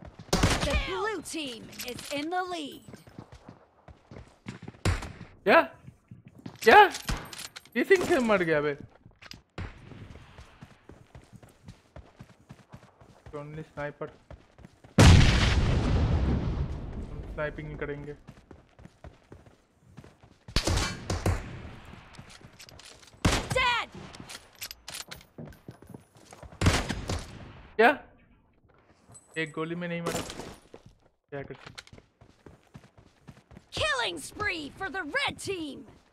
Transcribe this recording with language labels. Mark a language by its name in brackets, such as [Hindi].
[English] The blue team is in the lead. [Hindi] क्या क्या किसी से मर गया बे, [English] only sniper sniping [Hindi] करेंगे। [English] dead [Hindi] क्या, एक गोली में नहीं मरा क्या कर सकते। [English] Killing spree for the red team.